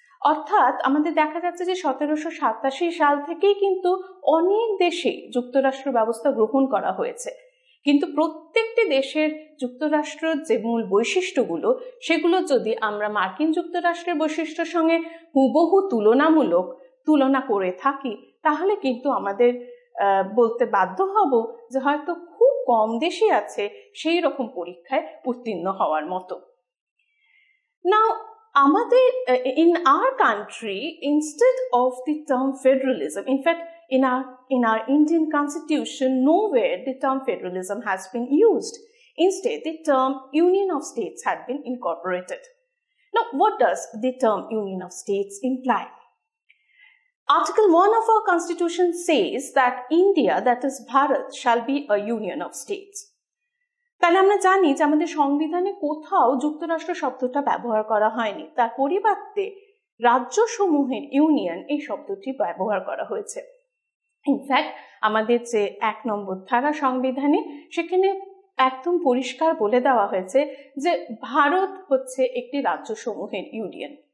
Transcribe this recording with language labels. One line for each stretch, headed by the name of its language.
Bangla: অর্থাৎ আমাদের দেখা যাচ্ছে যে 1787 সাল থেকেই কিন্তু অনেক দেশে যুক্তরাষ্ট্র ব্যবস্থা গ্রহণ করা হয়েছে, কিন্তু প্রত্যেকটি দেশের যুক্তরাষ্ট্র যে মূল বৈশিষ্ট্যগুলো সেগুলো যদি আমরা মার্কিন যুক্তরাষ্ট্রের বৈশিষ্ট্যর সঙ্গে হুবহু তুলনামূলক তুলনা করে থাকি, তাহলে কিন্তু আমাদের বলতে বাধ্য হব যে হয়তো খুব কম দেশই আছে সেই রকম পরীক্ষায় উত্তীর্ণ হওয়ার মতো।
English: Now আমাদের in our country, instead of the term federalism, in fact In our Indian constitution, nowhere the term federalism has been used. Instead, the term union of states had been incorporated. Now, what does the term union of states imply? Article 1 of our constitution says that India, that is Bharat, shall be a union of states.
Bangla: তাহলে আমরা জানি যে আমাদের সংবিধানে কোথাও যুক্তরাষ্ট্র শব্দটা ব্যবহার করা হয়নি, তার পরিবর্তে রাজ্যসমূহের ইউনিয়ন এই শব্দটি ব্যবহার করা হয়েছে। ইনফ্যাক্ট আমাদের যে 1 নম্বর ধারা সংবিধানে, সেখানে একদম পরিষ্কার বলে দেওয়া হয়েছে যে ভারত হচ্ছে একটি রাজ্য সমূহের ইউনিয়ন।